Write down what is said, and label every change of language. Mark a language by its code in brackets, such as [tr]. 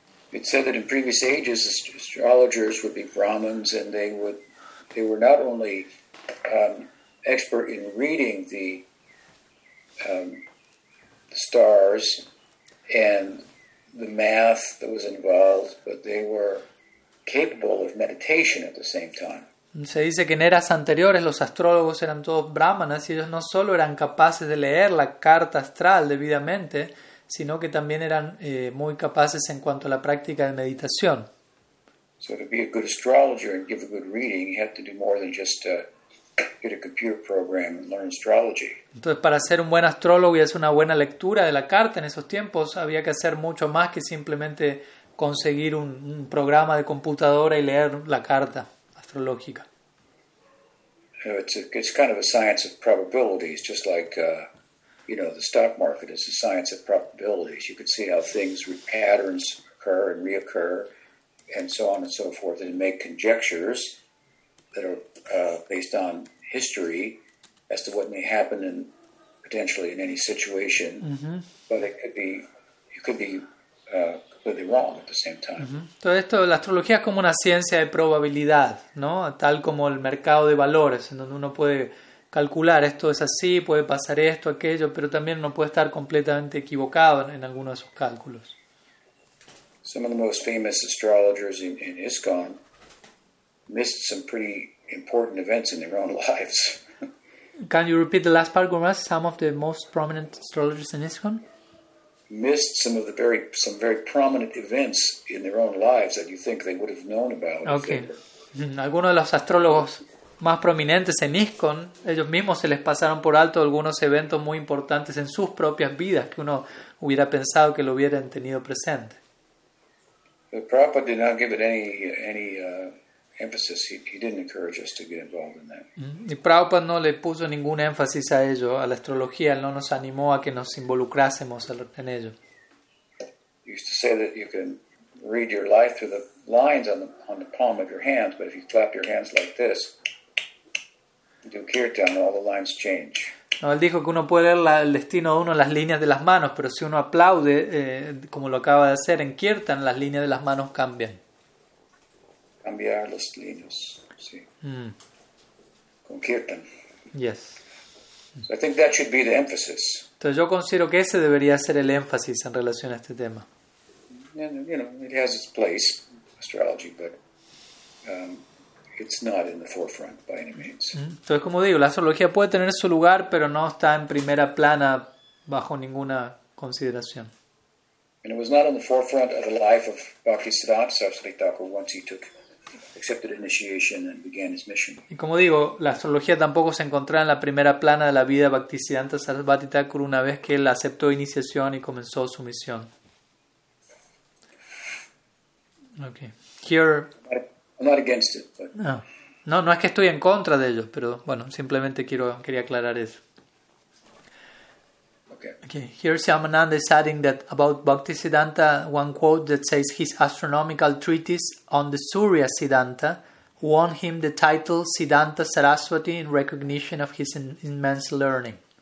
[en] It said that in previous ages astrologers would be Brahmins and they were not only expert in reading the stars and the math that was involved, but they were capable of meditation at the same time. [es] Se dice que en eras anteriores los astrólogos eran todos brahmanas y ellos no solo eran capaces de leer la carta astral debidamente, sino que también eran muy capaces en cuanto a la práctica de meditación. [en] So to be a good astrologer and give a good reading, you have to do more than just get a computer program and learn astrology. [es] Entonces, para ser un buen astrólogo y hacer una buena lectura de la carta en esos tiempos, había que hacer mucho más que simplemente conseguir un programa de computadora y leer la carta astrológica. [en] It's kind of a science of probabilities, just like you know, the stock market is a science of probabilities. You could see how things patterns occur and reoccur, and so on and so forth, and make conjectures that are based on history as to what may happen in potentially in any situation. Mm-hmm. But it could be completely wrong at the same time. Mm-hmm. [es] Todo esto, la astrología es como una ciencia de probabilidad, ¿no? Tal como el mercado de valores, en donde uno puede calcular, esto es así, puede pasar esto, aquello, pero también uno puede estar completamente equivocado en algunos de sus cálculos. [en] Some of the most famous astrologers in ISKCON missed some pretty important events in their own lives. Can you repeat the last part, Gurmaz? Some of the most prominent astrologers in ISKCON? Missed some very prominent events in their own lives that you think they would have known about. Okay. [es] Algunos de los astrólogos más prominentes en ISKCON, ellos mismos se les pasaron por alto algunos eventos muy importantes en sus propias vidas que uno hubiera pensado que lo hubieran tenido presente. [en] The Prabhupada did not give it any emphasis. He didn't encourage us to get involved in that. [es] Y Prabhupada no le puso ningún énfasis a ello, a la astrología. Él no nos animó a que nos involucrásemos en ello. [en] He used to say that you can read your life through the lines on the palm of your hands, but if you clap your hands like this, do kirtan, all the lines change. [es] No, él dijo que uno puede leer el destino de uno en las líneas de las manos, pero si uno aplaude, como lo acaba de hacer en kirtan, las líneas de las manos cambian. Cambiar las líneas, sí. Mm. Con kirtan. [en] Yes. So I think that should be the emphasis. [es] Entonces yo considero que ese debería ser el énfasis en relación a este tema. [en] And, you know, it has its place, astrology, but it's not in the forefront by any means. [es] Entonces, como digo, la astrología puede tener su lugar, pero no está en primera plana bajo ninguna consideración. [en] And it was not in the forefront of the life of Bhaktisiddhanta Saraswati Thakur once he took accepted initiation and began his mission. [es] Y como digo, la astrología tampoco se encontraba en la primera plana de la vida de Bhaktisiddhanta Saraswati Thakur una vez que él aceptó iniciación y comenzó su misión. [en] Okay. Here I'm not against it, but [es] no es que estoy en contra de ellos, pero bueno, simplemente quería aclarar eso. [en] Okay. Here Syamananda is adding that about Bhaktisiddhanta, one quote that says his astronomical treatise on the Surya Siddhanta won him the title Siddhanta Saraswati in recognition of his immense learning.